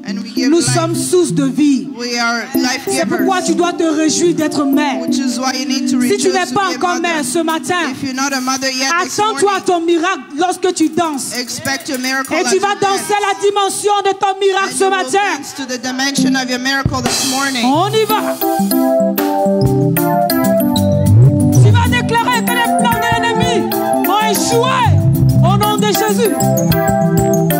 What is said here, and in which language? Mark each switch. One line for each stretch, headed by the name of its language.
English: And we give
French: nous
English: life.
French: Sommes source de vie.
English: We are life givers.
French: C'est pourquoi tu dois te réjouir d'être mère.
English: Which is why you need to rejoice
French: si tu n'es pas encore mère ce matin,
English: if you're not a mother yet,
French: attends-toi à ton miracle lorsque tu danses.
English: Expect your miracle
French: et tu vas danser la dimension de ton miracle
English: and
French: ce matin.
English: To the dimension of your miracle this morning.
French: On y va. Tu vas déclarer que les plans de l'ennemi ont échoué au nom de Jésus.